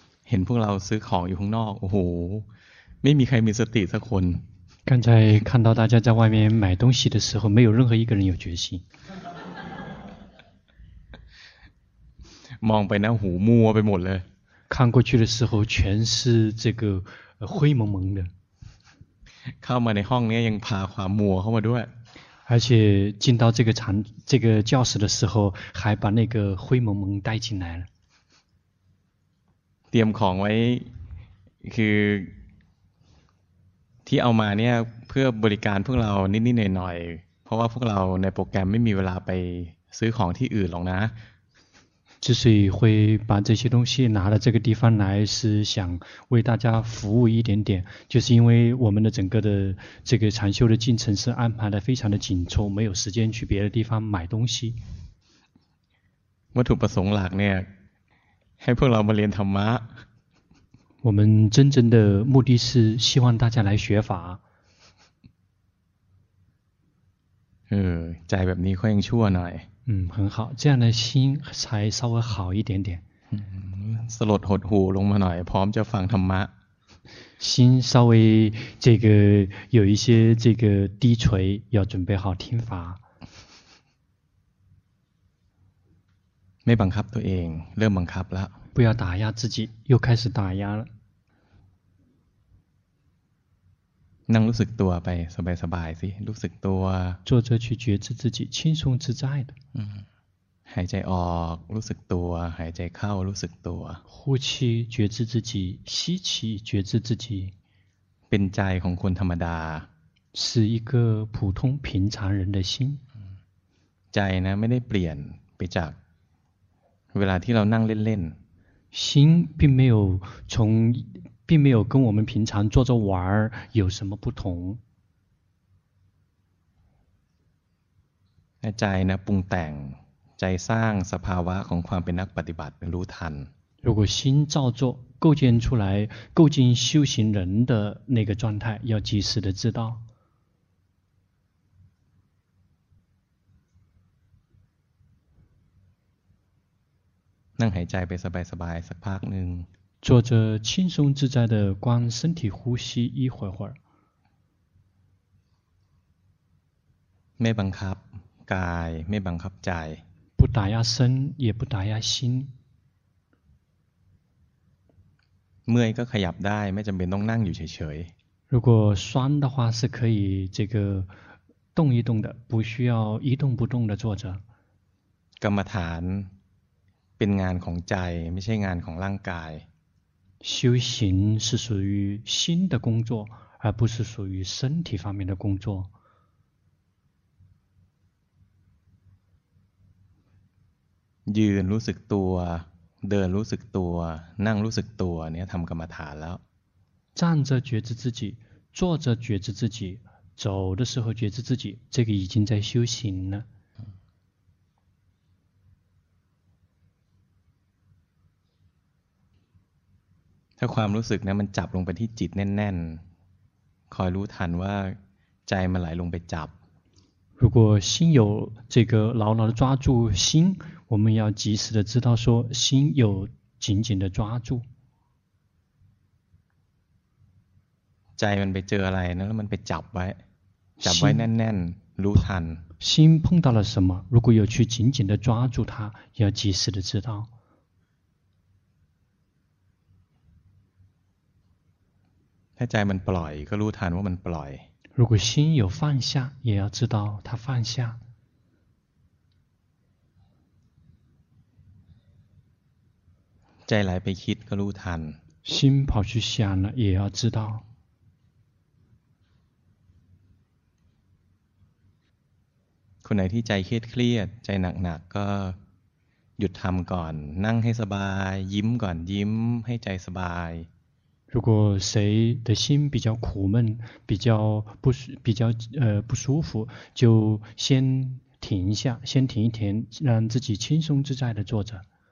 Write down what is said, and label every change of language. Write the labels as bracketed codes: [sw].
[th] เห็นพวกเราซื้อของอยู่ข้างนอกโอ้โหไม่มีใครมีสติสักคน [zh] 刚才看到大家在外面买东西的时候，没有任何一个人有决心。 [th] มองไปนะหูมัวไปหมดเลย [zh] 看过去的时候，全是这个灰蒙蒙的。 [th] เข้ามาในห้องนี้ยังพาความมัวเข้ามาด้วย [zh] 而且进到这个场、这个教室的时候，还把那个灰蒙蒙带进来了。 [th] เตรียมของไว้คือที่เอามาเนี่ยเพื่อบริการพวกเรานิดๆหน่อยๆเพราะว่าพวกเราในโปรแกรมไม่มีเวลาไปซื้อของที่อื่นหรอกนะ [zh] 之所以会把这些东西拿到这个地方来，是想为大家服务一点点。就是因为我们的整个的这个禅修的进程是安排的非常的紧凑，没有时间去别的地方买东西。 [th] วัตถุประสงค์หลักเนี่ยให้พวกเรามาเรียนธรรมะ [zh] 我们真正的目的是希望大家来学法。 [th] ใจแบบนี้ค่อยยังชั่วหน่อย [zh] 很好，这样的心才稍微好一点点。 [th] สลดหดหูลงมาหน่อยพร้อมจะฟังธรรมะ [zh] 心稍微这个有一些这个低垂，要准备好听法。 [th] ไม่บังคับตัวเองเริ่มบังคับแล้ว [zh] 不要打压自己又开始打压了 [th] นั่งรู้สึกตัวไปสบายๆสิรู้สึกตัว [zh] 坐着去觉知自己轻松自在的 [th] หายใจออกรู้สึกตัวหายใจเข้ารู้สึกตัว [zh] 呼气觉知自己吸气觉知自己 [th] เป็นใจของคนธรรมดา [zh] 是一个普通平常人的心 [th] ใจนะไม่ได้เปลี่ยนไปจากเวลาที่เรานั่งเล่น [zh] ๆ心并没有从并没有跟我们平常坐着玩有什么不同 [th] ใจนะปรุงแต่งใจสร้างสภาวะของความเป็นนักปฏิบัติรู้ทัน [zh] 如果心造作构建出来构建修行人的那个状态要及时的知道 [th] นั่งหายใจไปสบายๆสักพักหนึ่ง [zh] 坐着轻松自在的观身体呼吸一会会儿 [th] ไม่บังคับกายไม่บังคับใจ [zh] 不打压身也不打压心 [th] เมื่อยก็ขยับได้ไม่จำเป็นต้องนั่งอยู่เฉย [zh] ๆ如果酸的话是可以这个动一动的不需要一动不动的坐着 [th] กรรมฐานเป็นงานของใจไม่ใช่งานของร่างกาย [zh] 修行是属于心的工作而不是属于身体方面的工作 [th] ยืนรู้สึกตัวเดินรู้สึกตัวนั่งรู้สึกตัวเนี่ยทำกรรมฐานแล้ว [zh] 站着觉知自己坐着觉知自己走的时候觉知自己这个已经在修行了 [th] ถ้าความรู้สึกนะมันจับลงไปที่จิตแน่นๆคอยรู้ทันว่าใจมันไหลลงไปจับ [zh] 如果心有这个牢牢的抓住心我们要及时的知道说心有紧紧的抓住 [th] ใจมันไปเจออะไรนะแล้วมันไปจับไว้จับไว้แน่นๆรู้ทัน [zh] 心碰到了什么如果有去紧紧的抓住它要及时的知道 [th] ถ้าใจมันปล่อยก็รู้ทันว่ามันปล่อย [zh] 如果心有放下也要知道它放下 [th] ใจไหลไปคิดก็รู้ทัน [zh] 心跑去想了也要知道 [th] คนไหนที่ใจเครียดใจหนักๆก็หยุดทำก่อนนั่งให้สบายยิ้มก่อนยิ้มให้ใจสบาย [zh] 如果谁的心比较苦闷比较不舒服就先停一下先停一停让自己轻松自在的坐着